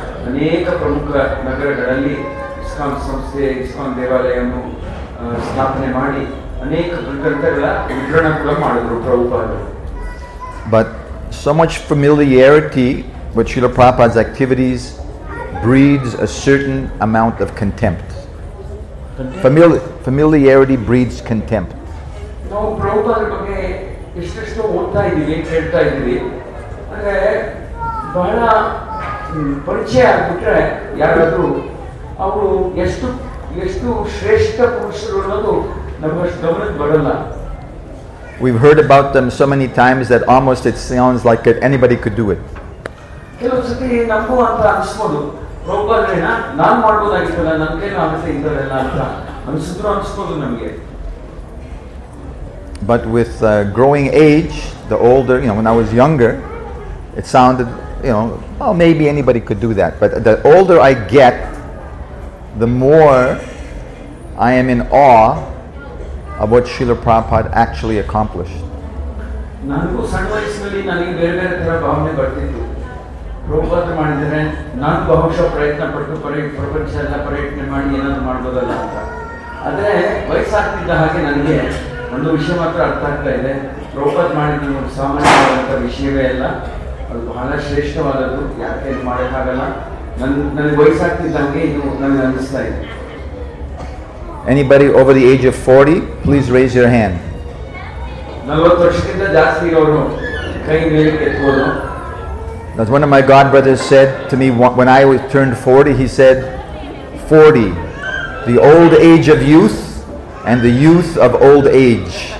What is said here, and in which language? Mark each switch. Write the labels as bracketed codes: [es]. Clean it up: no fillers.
[kn] ಅನೇಕ ಪ್ರಮುಖ ನಗರಗಳಲ್ಲಿ ಇಸ್ಕಾನ್ ಸಂಸ್ಥೆ, ಇಸ್ಕಾನ್ ದೇವಾಲಯವನ್ನು ಸ್ಥಾಪನೆ ಮಾಡಿ ಅನೇಕ ಗ್ರಂಥಗಳ ವಿತರಣ ಕೂಡ ಮಾಡಿದ್ರು ಪ್ರಭುಪಾದರು. [en] But so much familiarity with Srila Prabhupada's activities breeds a certain amount of contempt. Familiarity breeds contempt. [kn] ನಾವು ಪ್ರಭುಪಾದರ ಬಗ್ಗೆ ಎಷ್ಟೆಷ್ಟು ಓದ್ತಾ ಇದ್ದೀವಿ, ಕೇಳ್ತಾ ಇದ್ದೀವಿ, ಅಂದರೆ ಬಹಳ ಪರಿಚಯ ಬಿಟ್ಟರೆ ಯಾರಾದರೂ ಅವರು ಎಷ್ಟು ಎಷ್ಟು ಶ್ರೇಷ್ಠ ಪುರುಷರು ಅನ್ನೋದು ನಮ್ಮಷ್ಟು ಗಮನಕ್ಕೆ ಬರಲ್ಲ. [en] We've heard about them so many times that almost it sounds like it, anybody could do it. [kn] ಕೆಲವು ಸತಿ ನಮಗೂ ಅಂತ ಅನಿಸ್ಬೋದು, ಪ್ರಭುಪಾದರೇನ ನಾನು ಮಾಡ್ಬೋದಾಗಿತ್ತಲ್ಲ, ನನಗೇನು ಆಗುತ್ತೆ ಇದರಲ್ಲ ಅಂತ ಅನಿಸಿದ್ರು ಅನಿಸ್ಬೋದು ನಮಗೆ. [en] But with growing age, the older, you know, when I was younger, it sounded, you know, well, maybe anybody could do that. But the older I get, the more I am in awe of what Srila Prabhupada actually accomplished. [kn] ನನಗೂ ಸಣ್ಣ ವಯಸ್ಸಿನಲ್ಲಿ ನನಗೆ ಬೇರೆ ಬೇರೆ ತರ ಭಾವನೆ ಬರ್ತಿತ್ತು. ಪ್ರಭುಪಾದರು ಮಾಡಿದರೆ ನಾನು ಬಹುಶಃ ಪ್ರಯತ್ನ ಪಟ್ಟು ಪ್ರಪಂಚ ಎಲ್ಲ ಪ್ರಯತ್ನ ಮಾಡಿ ಏನಾದರೂ ಮಾಡ್ಬೋದಲ್ಲ ಅಂತ. ಆದರೆ ವಯಸ್ಸಾಗ್ತಿದ್ದ ಹಾಗೆ ನನಗೆ ಒಂದು ವಿಷಯ ಮಾತ್ರ ಅರ್ಥ ಆಗ್ತಾ ಇದೆ, ಪ್ರಭುಪಾದರು ಮಾಡಿದ ಒಂದು ಸಾಮಾನ್ಯವಾದಂಥ ವಿಷಯವೇ ಅಲ್ಲ, ಅದು ಬಹಳ ಶ್ರೇಷ್ಠವಾದದ್ದು, ಯಾಕೆ ಇದು ಮಾಡೋಕ್ಕಾಗಲ್ಲ ನನಗೆ ವಯಸ್ಸಾಗ್ತಿದ್ದಂಗೆ ಇದು ನನಗೆ ಅನ್ನಿಸ್ತಾ ಇದೆ. [en] Anybody over the age of 40, please raise your hand. [kn] 40 ವರ್ಷಕ್ಕಿಂತ ಜಾಸ್ತಿ ಅವರು ಕೈ ಮೇಲೆ ಎತ್ತುವರು. [en] That's one of my god brothers said to me when I was turned 40, he said, 40, the old age of youth and the youth of old age.